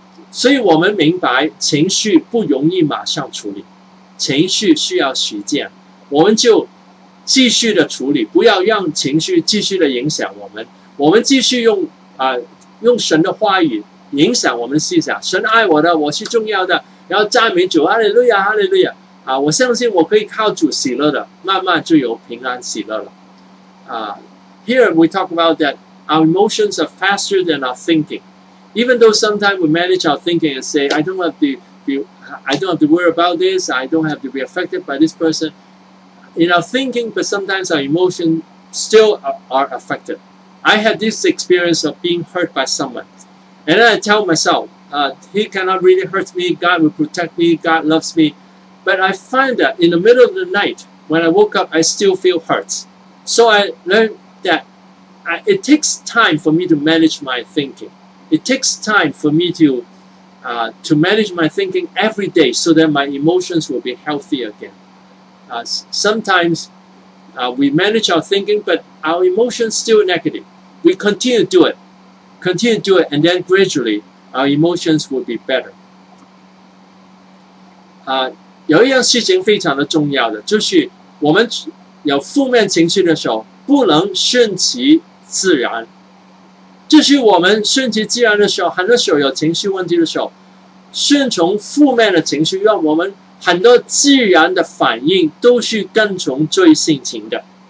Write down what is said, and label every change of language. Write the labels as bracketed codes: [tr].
[zh] 所以我们明白情绪不容易马上处理，情绪需要时间，我们就继续的处理，不要让情绪继续的影响我们。我们继续用神的话语影响我们思想，神爱我的，我是重要的，然后赞美主，哈利路亚，哈利路亚，我相信我可以靠主喜乐的，慢慢就有平安喜乐了。 [en] Here we talk about that our emotions are faster than our thinking. Even though sometimes we manage our thinking and say, I don't have to worry about this, I don't have to be affected by this person. In our thinking, but sometimes our emotions still are affected. I had this experience of being hurt by someone. And then I tell myself, he cannot really hurt me. God will protect me. God loves me. But I find that in the middle of the night, when I woke up, I still feel hurt. So I learned that it takes time for me to manage my thinking. It takes time for me to manage my thinking every day so that my emotions will be healthy again. Sometimes we manage our thinking, but our emotions still negative. We continue to do it, and then gradually our emotions will be better. [zh] 有一样事情非常的重要的，就是我们有负面情绪的时候，不能顺其自然。就就是我们顺其自然的时候，很多时候有情绪问题的时候，顺从负面的情绪，让我们很多自然的反应都是跟从罪性情的。